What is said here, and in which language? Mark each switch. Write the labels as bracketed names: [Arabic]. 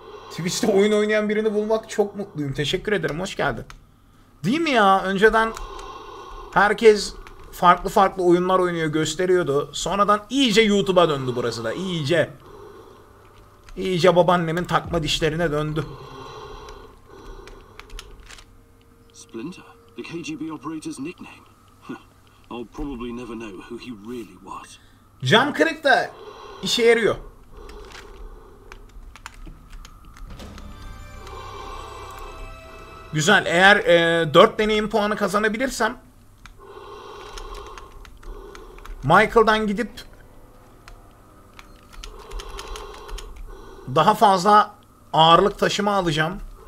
[Turkish] Twitch'te oyun oynayan birini bulmak çok mutluyum. Teşekkür ederim. Hoş geldin. Değil mi ya? Önceden herkes farklı farklı oyunlar oynuyor, gösteriyordu. Sonradan iyice YouTube'a döndü burası da. İyice. İyice babaannemin takma dişlerine döndü. [English] Splinter, the KGB operator's nickname. I'll probably never know who he really was. [Turkish] Cam kırık da işe yarıyor. Güzel. Eğer 4 deneyim puanı kazanabilirsem Michael'dan gidip daha fazla ağırlık taşıma alacağım.